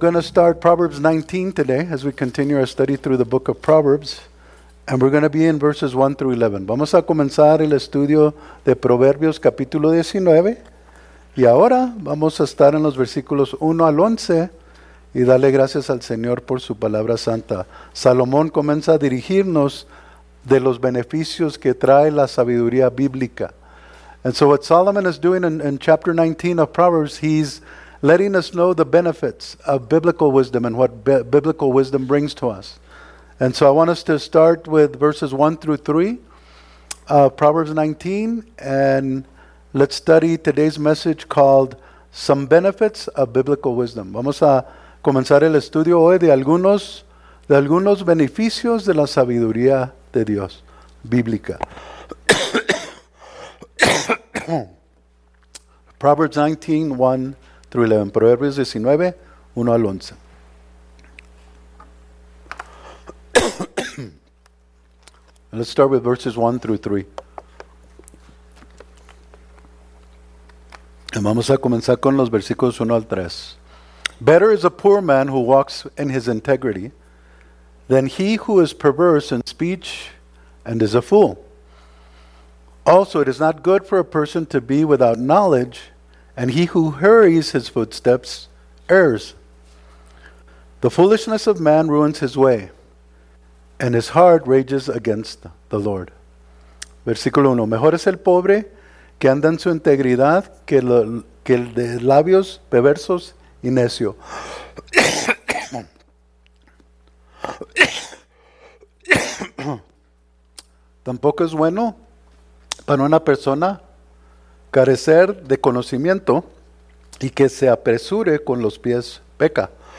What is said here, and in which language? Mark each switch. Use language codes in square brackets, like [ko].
[en] We're going to start Proverbs 19 today as we continue our study through the book of Proverbs. And we're going to be in verses 1 through 11. [es] Vamos a comenzar el estudio de Proverbios capítulo 19. Y ahora vamos a estar en los versículos 1 al 11 y darle gracias al Señor por su palabra santa. Salomón comienza a dirigirnos de los beneficios que trae la sabiduría bíblica. [en] And so what Solomon is doing in chapter 19 of Proverbs, he's letting us know the benefits of biblical wisdom and what biblical wisdom brings to us. And so I want us to start with verses 1 through 3 of Proverbs 19. And let's study today's message called Some Benefits of Biblical Wisdom. [es] Vamos a comenzar el estudio hoy de algunos beneficios de la sabiduría de Dios bíblica. [en] Proverbs 19, 1 through 11, [es] Proverbios 19, 1 al 11. [en] Let's start with verses 1 through 3. [es] Vamos a comenzar con los versículos 1 al 3. [en] Better is a poor man who walks in his integrity than he who is perverse in speech and is a fool. Also, it is not good for a person to be without knowledge, and he who hurries his footsteps errs. The foolishness of man ruins his way, and his heart rages against the Lord. [es] Versículo 1. Mejor es el pobre que anda en su integridad que el de labios perversos y necio. Tampoco es bueno para una persona carecer de conocimiento y que se apresure con los pies peca.